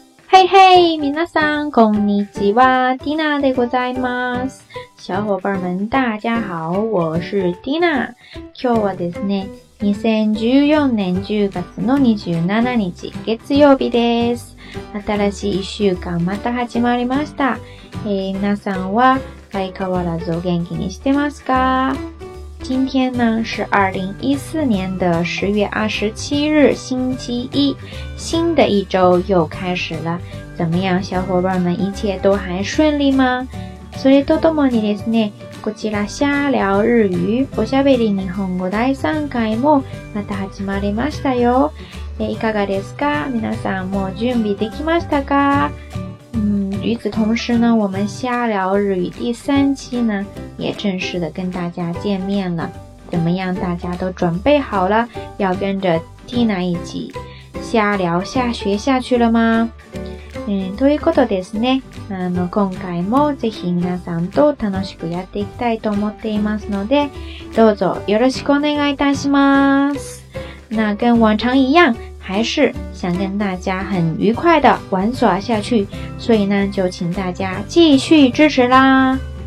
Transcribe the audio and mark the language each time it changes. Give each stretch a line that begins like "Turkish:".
Japanese: 嘿嘿，皆さんこんにちは、ティナでございます。
Chinese: 小伙伴们大家好，我是ティナ。
Japanese: 今日はですね、2014年10月の27日、月曜日です。新しい1週間また始まりました。皆さんは相変わらずお元気にしてますか？
Chinese: 今天呢是2014年的10月27日星期一，新的一周又开始了。怎么样小伙伴们，一切都还顺利吗？
Japanese: それとともにですね、こちら瞎聊日语おしゃべり日本語第3回もまた始まりましたよ。いかがですか？皆さんもう準備できましたか？
Chinese: 与此同时呢，我们瞎聊日语第三期呢也正式的跟大家见面了。怎么样，大家都准备好了要跟着 Tina 一起瞎聊下学下去了吗？
Japanese: ということですね、今回もぜひ皆さんと楽しくやっていきたいと思っていますので、どうぞよろしくお願いいたします。
Chinese: 那跟往常一样，还是想跟大家很愉快的玩耍下去，所以呢，就请大家继续支持啦。